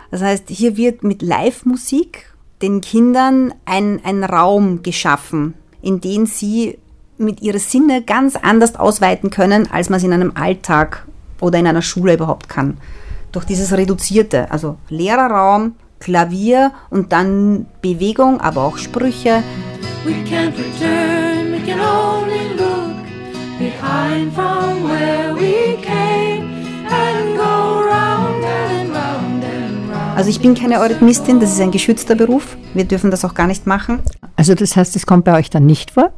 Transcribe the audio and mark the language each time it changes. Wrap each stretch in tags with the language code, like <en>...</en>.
<de>Das heißt, hier wird mit Live-Musik den Kindern ein Raum geschaffen, in den sie mit ihrer Sinne ganz anders ausweiten können, als man es in einem Alltag oder in einer Schule überhaupt kann. Durch dieses Reduzierte, also Lehrerraum, Klavier und dann Bewegung, aber auch Sprüche.</de> <en>We can't return, we can only look behind from where we came and go round and round and round.</en> <de>Also ich bin keine Eurythmistin, das ist ein geschützter Beruf. Wir dürfen das auch gar nicht machen. Also das heißt, es kommt bei euch dann nicht vor?</de>